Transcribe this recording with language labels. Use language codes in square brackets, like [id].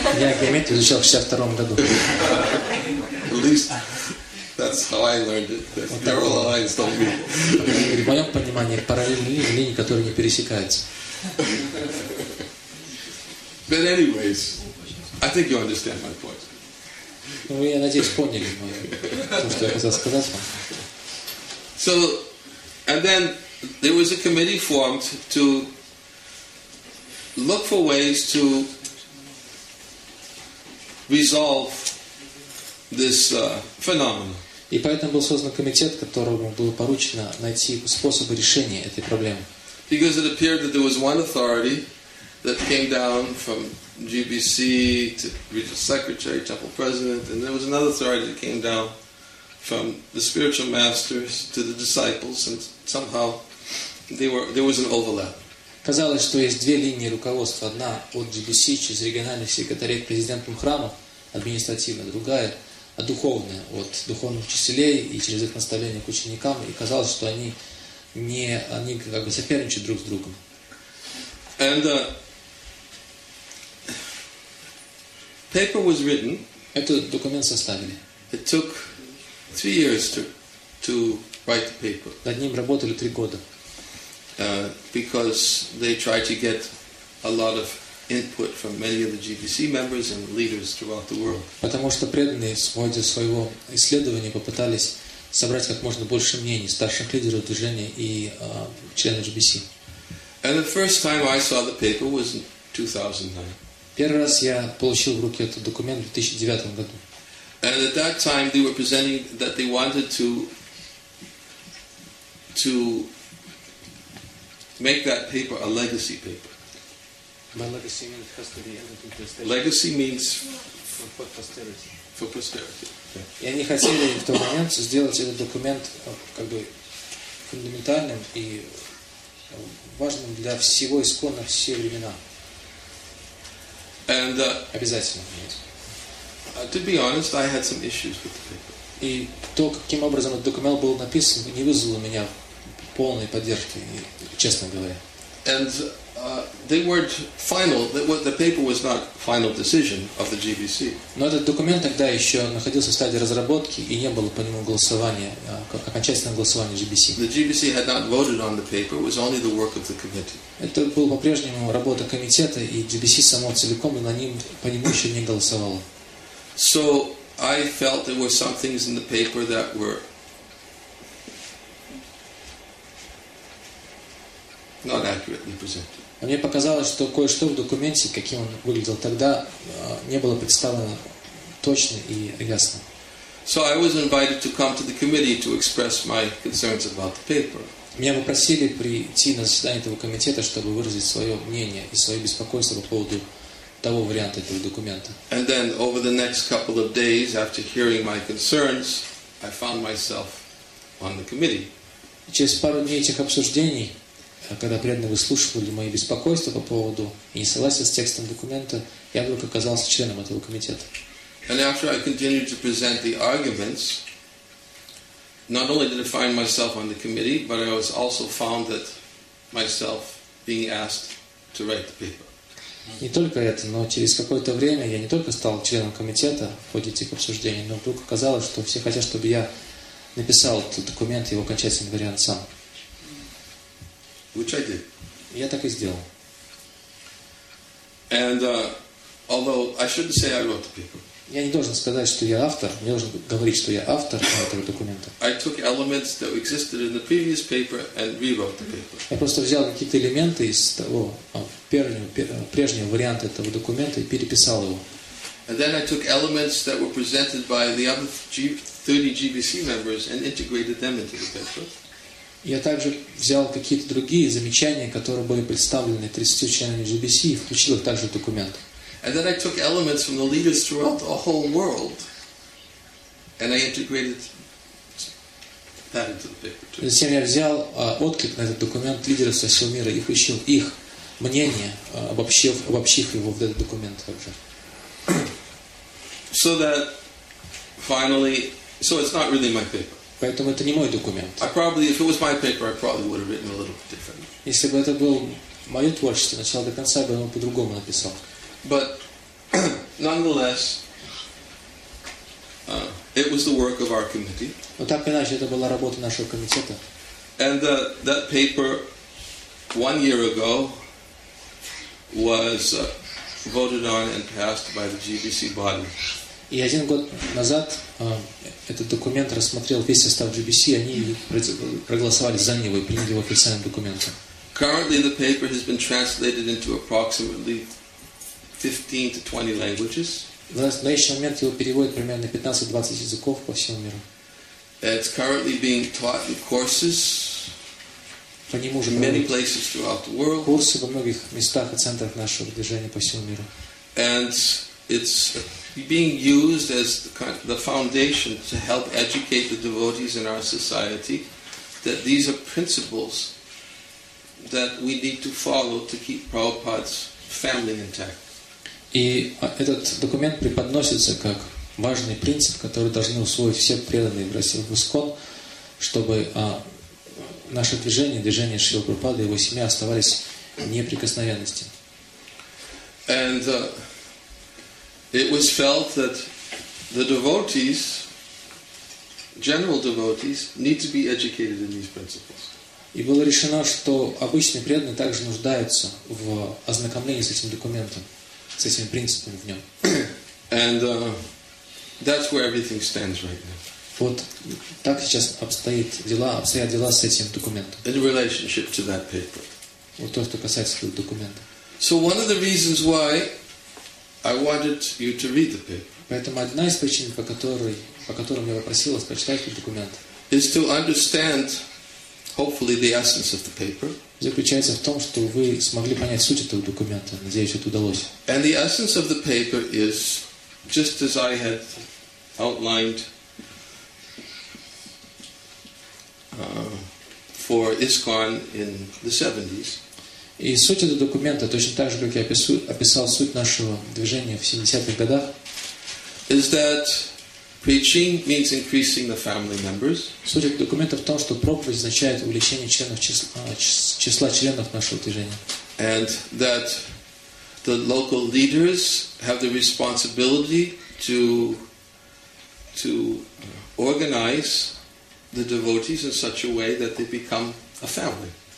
[ru] Я геометрию изучал в 62-м году. [en] At least that's how I learned it. Parallel lines don't meet. [ru] В моем понимании параллельные линии, которые не пересекаются. [en] But anyways, I think you understand my point. [ru] Ну, я надеюсь, поняли мое, то, что я хотел сказать вам. [en] So, and then there was a committee formed to look for ways to resolve this phenomenon. [ru] И поэтому был создан комитет, которому было поручено найти способы решения этой проблемы. [en] Because it appeared that there was one authority that came down from GBC to Regional Secretary, Temple President, and there was another authority that came down from the spiritual masters to the disciples, and somehow there was an overlap. [ru] Казалось, что есть две линии руководства: одна от GBC через региональных секретарей к президентам храмов, административная, другая от духовная, от духовных учителей и через их наставления к ученикам. И казалось, что они как бы соперничают друг с другом. [en] And paper was written. [ru] Этот документ составили. [en] It took 3 years to write the paper. [ru] Над ним работали 3 года. [en] Because they tried to get a lot of input from many of the GBC members and leaders throughout the world. [ru] Потому что преданные в ходе своего исследования попытались собрать как можно больше мнений старших лидеров движения и членов GBC. [en] And the first time I saw the paper was in 2009. [ru] Первый раз я получил в руки этот документ в 2009 году. [en] And at that time they were presenting that they wanted to make that paper a legacy paper. By legacy means it has to be legacy means For posterity. [ru] И они хотели в тот момент сделать этот документ как бы фундаментальным и важным для всего искона все времена. [en] And, [ru] обязательно. [en] To be honest, I had some issues with the paper. [ru] И то, каким образом этот документ был написан, не вызвало у меня полной поддержки, честно говоря. [en] And they weren't final. The paper was not final decision of the GBC. [ru] Но этот документ тогда еще находился в стадии разработки и не было по нему голосования, окончательного голосования GBC. [en] The GBC had not voted on the paper. It was only the work of the committee. [ru] Это был по-прежнему работа комитета, и GBC само целиком по нему еще не голосовало. [en] So I felt there were some things in the paper that were not accurately presented. [ru] Мне показалось, что кое-что в документе, каким он выглядел тогда, не было представлено точно и ясно. [en] So I was invited to come to the committee to express my concerns about the paper. [ru] Меня попросили прийти на заседание этого комитета, чтобы выразить свое мнение и свое беспокойство по поводу того варианта этого документа. [en] And then over the next couple of days, after hearing my concerns, I found myself on the committee. [ru] Через пару дней этих обсуждений, когда преданно выслушивали мои беспокойства по поводу и несогласия с текстом документа, я вдруг оказался членом этого комитета. [en] And after I continued to present the arguments, not only did I find myself on the committee, but I was also found that myself being asked to write the paper. [ru] Не только это, но через какое-то время я не только стал членом комитета в ходе этих обсуждений, но вдруг оказалось, что все хотят, чтобы я написал этот документ, его окончательный вариант сам. [en] Which I did. [ru] Я так и сделал. [en] And although I shouldn't say I wrote the paper. [ru] Я не должен сказать, что я автор. Не должен говорить, что я автор этого документа. [en] I took elements that existed in the previous paper and rewrote the paper. [ru] Я просто взял какие-то элементы из того прежнего варианта этого документа и переписал его. [en] And then I took elements that were presented by the other 30 GBC members and integrated them into the paper. [ru] Я также взял какие-то другие замечания, которые были представлены 30 членами GBC, и включил их также в документ. [en] And then I took elements from the leaders throughout the whole world, and I integrated that into the paper too. [ru] Затем я взял отклик на этот документ лидеров со всего мира и включил их мнение, обобщив его в этот документ также. [en] So that finally, so it's not really my paper. [ru] Поэтому это не мой документ. [en] I probably, if it was my paper, I probably would have written a little bit differently. [ru] Если бы это было мое творчество, начало до конца, я бы его по-другому написал. [en] But nonetheless, it was the work of our committee. [ru] Но так или иначе, это была работа нашего комитета. [en] And that paper, 1 year ago, was voted on and passed by the GBC body. [ru] И один год назад этот документ рассмотрел весь состав GBC, они проголосовали за него и приняли его официальным документом. [en] Currently the paper has been translated into approximately 15 to 20 languages. [ru] В настоящий момент его переводят примерно 15-20 языков по всему миру. [en] It's currently being taught in courses in many places throughout the world. [ru] Курсы во многих местах и центрах нашего движения по всему миру. [en] And it's being used as the foundation to help educate the devotees in our society that these are principles that we need to follow to keep Prabhupada's family intact. [ru] И этот документ преподносится как важный принцип, который должны усвоить все преданные в России в ИСКОН, чтобы наше движение, движение Шрилы Прабхупады и его семьи оставались в неприкосновенности. [en] And it was felt that the devotees, general devotees, need to be educated in these principles. [ru] И было решено, что обычные преданные также нуждаются в ознакомлении с этим документом, с этими принципами в нем. [en] And that's where everything stands right now. [ru] Вот так сейчас обстоят дела с этим документом. [en] In relationship to that paper. [ru] Вот то, что касается этого документа. [en] So one of the reasons why I wanted you to read the paper. [ru] Поэтому одна из причин, по которой я попросил вас прочитать этот документ, [en] is to understand, hopefully, the essence of the paper. [ru] Заключается в том, что вы смогли понять суть этого документа. Надеюсь, это удалось. [en] And the essence of the paper is just as I had outlined for ISKCON in the 70s. [ru] И суть этого документа точно так же, как я описал суть нашего движения в 70-х годах. [en] Is that preaching means increasing the family members? [ru] Суть этого документа в том, что проповедь означает увеличение членов числа членов нашего движения. [en] And that the local leaders have the responsibility to organize the devotees in such a way that they become a family.